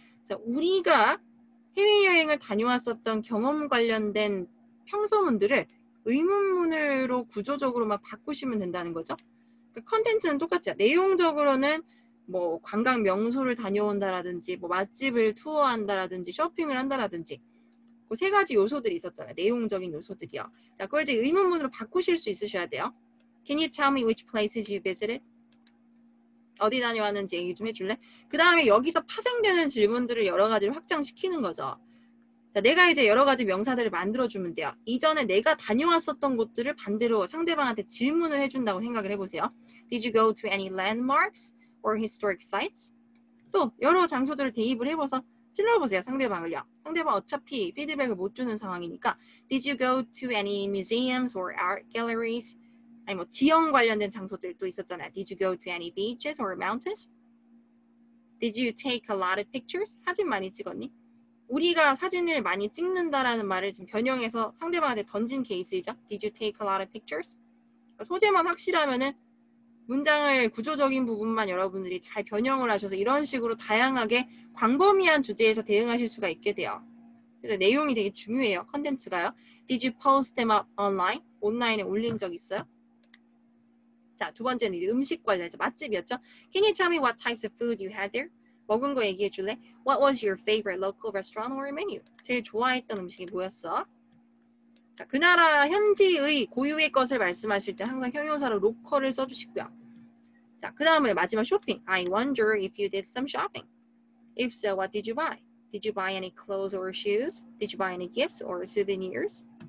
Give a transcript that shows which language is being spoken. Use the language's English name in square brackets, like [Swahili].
[Korean] 그래서 우리가 해외여행을 다녀왔었던 경험 관련된 평서문들을 의문문으로 구조적으로만 바꾸시면 된다는 거죠. 그러니까 컨텐츠는 똑같죠. 내용적으로는 뭐 관광 명소를 다녀온다라든지 뭐 맛집을 투어한다라든지 쇼핑을 한다라든지 그 세 가지 요소들이 있었잖아요. 내용적인 요소들이요. 자, 그걸 이제 의문문으로 바꾸실 수 있으셔야 돼요. [English] Can you tell me which places you visited? [Korean] 어디 다녀왔는지 얘기 좀 해줄래? 그 다음에 여기서 파생되는 질문들을 여러 가지를 확장시키는 거죠. 자, 내가 이제 여러 가지 명사들을 만들어주면 돼요. 이전에 내가 다녀왔었던 곳들을 반대로 상대방한테 질문을 해준다고 생각을 해보세요. [English] Did you go to any landmarks or historic sites? [Korean] 또 여러 장소들을 대입을 해봐서 찔러보세요, 상대방을요. 상대방 어차피 피드백을 못 주는 상황이니까 [English] Did you go to any museums or art galleries? [Korean] 아니 뭐 지형 관련된 장소들도 있었잖아요. [English] Did you go to any beaches or mountains? Did you take a lot of pictures? [Korean] 사진 많이 찍었니? 우리가 사진을 많이 찍는다라는 말을 지금 변형해서 상대방한테 던진 케이스이죠. [English] Did you take a lot of pictures? [Korean] 소재만 확실하면은 문장의 구조적인 부분만 여러분들이 잘 변형을 하셔서 이런 식으로 다양하게 광범위한 주제에서 대응하실 수가 있게 돼요. 그래서 내용이 되게 중요해요. 컨텐츠가요. [English] Did you post them up online? 온라인에 올린 적 있어요? [Korean] 자, 두 번째는 음식 관련해서 맛집이었죠. [English] Can you tell me what types of food you had there? [Korean] 먹은 거 얘기해 줄래? [English] What was your favorite local restaurant or menu? [Korean] 제일 좋아했던 음식이 뭐였어? 자, 그 나라 현지의 고유의 것을 말씀하실 때 항상 형용사로 로컬을 써주시고요. 자, 그 다음에 마지막 쇼핑. [English] I wonder if you did some shopping. If so, what did you buy? Did you buy any clothes or shoes? Did you buy any gifts or souvenirs?